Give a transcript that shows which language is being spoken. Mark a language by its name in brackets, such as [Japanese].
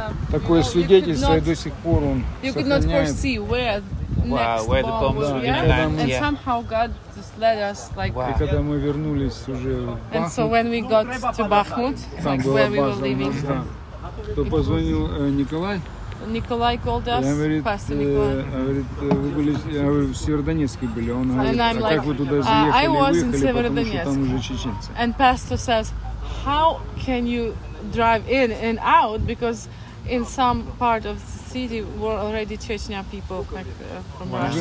[Russian] такое свидетельство, и до сих пор он сохраняет. [English] Where the bomb was going to land. And somehow God just led us, like... Wow. And [Russian] когда мы вернулись уже в [English] Бахмут, and so when we got to Bahmut, like where we were leaving, [Russian] то позвонил Николай. [English] Николай called us, Pastor Николай. [Russian] Говорит, вы были, вы в Северодонецке были. Он говорит, а как вы туда заехали и выехали, потому что там уже чеченцы. [English] And Pastor says, how can you drive in and out, because in some part of the city were already Chechnya people, like from Russia.